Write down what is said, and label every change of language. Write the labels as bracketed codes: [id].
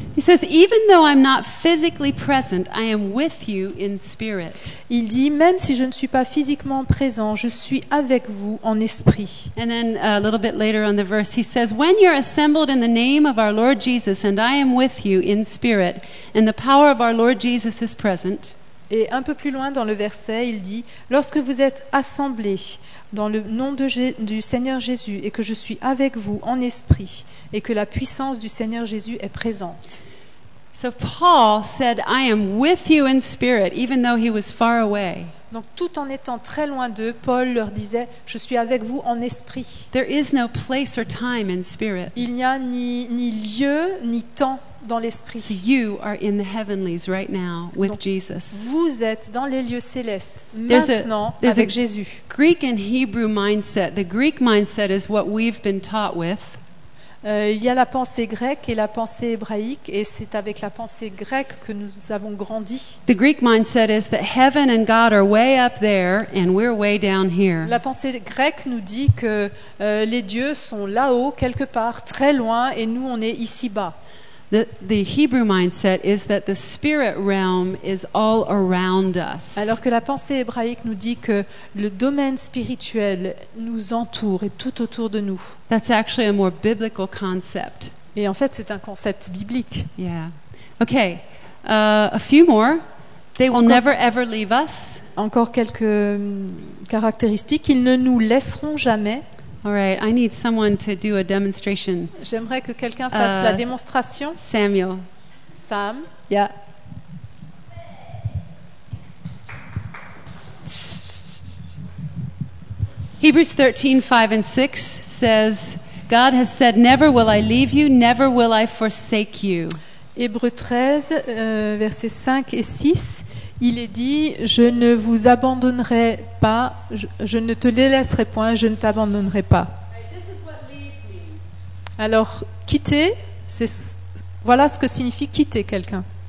[en] He says even though I'm not physically present, I am with you in spirit. [fr] Il dit même si je ne suis pas physiquement présent, je suis avec vous en esprit. [en] And then a little bit later on the verse, he says when you're assembled in the name of our Lord Jesus and I am with you in spirit and the power of our Lord Jesus is present. [fr] Et un peu plus loin dans le verset, il dit « Lorsque vous êtes assemblés dans le nom du Seigneur Jésus et que je suis avec vous en esprit et que la puissance du Seigneur Jésus est présente. » [en] So Paul said, « I am with you in spirit, even though he was far away. » [fr] Donc tout en étant très loin d'eux, Paul leur disait « Je suis avec vous en esprit. » [en] There is no place or time in spirit. [fr] Il n'y a ni lieu ni temps. Dans l'esprit. [en] So you are in the heavenlies right now with [fr] Donc, [en] Jesus. [fr] Vous êtes dans les lieux célestes maintenant avec Jésus. [en] Greek and Hebrew mindset. The Greek mindset is what we've been taught with. [fr] Il y a la pensée grecque et la pensée hébraïque, et c'est avec la pensée grecque que nous avons grandi. [en] The Greek mindset is that heaven and God are way up there, and we're way down here. [fr] La pensée grecque nous dit que les dieux sont là-haut quelque part, très loin, et nous on est ici bas. [en] The Hebrew mindset is that the spirit realm is all around us. [fr] Alors que la pensée hébraïque nous dit que le domaine spirituel nous entoure et tout autour de nous. [en] That's actually a more biblical concept. [fr] Et en fait, c'est un concept biblique. [en] Yeah. Okay. A few more. They will never ever leave us. [fr] Encore quelques caractéristiques. Ils ne nous laisseront jamais. [en] All right, I need someone to do a demonstration. [fr] J'aimerais que quelqu'un fasse la démonstration. [en] Samuel. Sam. Yeah. Hebrews 13, 5 and 6 says, God has said, never will I leave you, never will I forsake you. [fr] Hébreux 13, versets 5 et 6. Il est dit, je ne vous abandonnerai pas, je ne te les laisserai point, je ne t'abandonnerai pas. Alors, quitter, Voilà ce que signifie quitter quelqu'un.